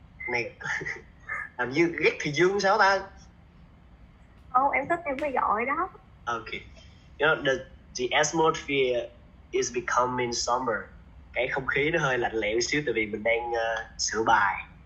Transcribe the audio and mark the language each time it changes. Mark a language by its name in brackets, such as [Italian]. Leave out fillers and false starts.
[Vietnamese] Này làm như ghét thì Dương sao ta? Oh, em thích em mới giỏi đó. [English] Okay, you know the atmosphere is becoming summer. [Vietnamese] Cái không khí nó hơi lạnh lẽo xíu tại vì mình đang sửa bài.